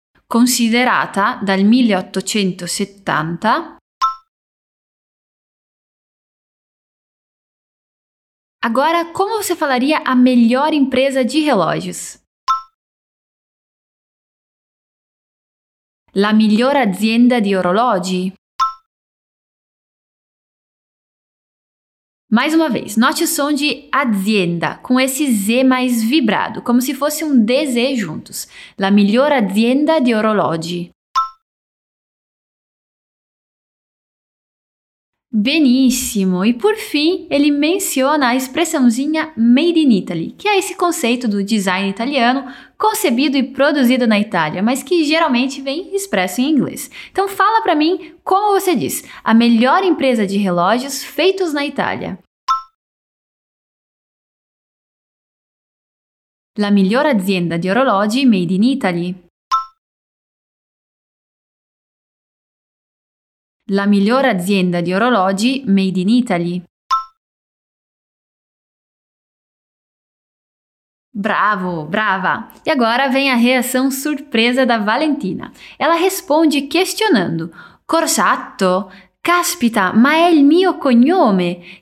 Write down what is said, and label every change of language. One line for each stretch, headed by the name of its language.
Italian: Considerata dal 1870,
Portuguese: agora como você falaria a melhor empresa de relógios?
Italian: La miglior azienda di orologi.
Portuguese: Mais uma vez, note o som de azienda, com esse Z mais vibrado, como se fosse um DZ juntos.
Italian: La miglior azienda di orologi. Benissimo!
Portuguese: E por fim, ele menciona a expressãozinha Made in Italy, que é esse conceito do design italiano, concebido e produzido na Itália, mas que geralmente vem expresso em inglês. Então fala pra mim como você diz, a melhor empresa de relógios feitos na Itália.
Italian: La miglior azienda di orologi made in Italy. La miglior azienda di orologi made in Italy. Bravo, brava!
Portuguese: E agora vem a reação surpresa da Valentina. Ela responde questionando.
Italian: Corsatto? Caspita, ma è il mio cognome?